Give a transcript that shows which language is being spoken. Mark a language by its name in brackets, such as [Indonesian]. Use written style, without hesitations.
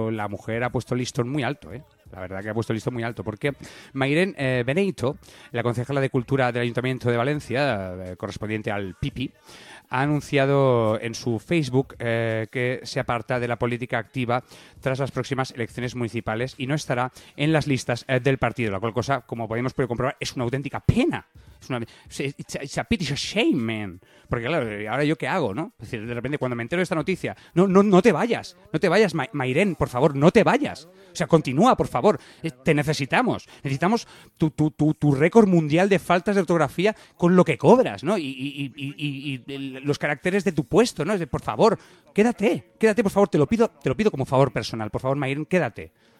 [Spanish] la mujer ha puesto el listón muy alto, ¿eh? La verdad que ha puesto el listón muy alto, porque Mairen Beneito, la concejala de Cultura del Ayuntamiento de Valencia, correspondiente al PIPI, ha anunciado en su Facebook que se aparta de la política activa tras las próximas elecciones municipales y no estará en las listas del partido, la cual cosa, como podemos poder comprobar, es una auténtica pena. [English] It's a pity, it's a shame, man. [Spanish] Porque claro, ¿ahora yo qué hago, no? Es decir, de repente cuando me entero de esta noticia, no te vayas, Mairen, por favor, no te vayas. O sea, continúa, por favor, te necesitamos. Necesitamos tu récord mundial de faltas de ortografía con lo que cobras, ¿no? Y los caracteres de tu puesto, ¿no? Es de, por favor, quédate, por favor, te lo pido como favor personal, por favor, Mairen, quédate.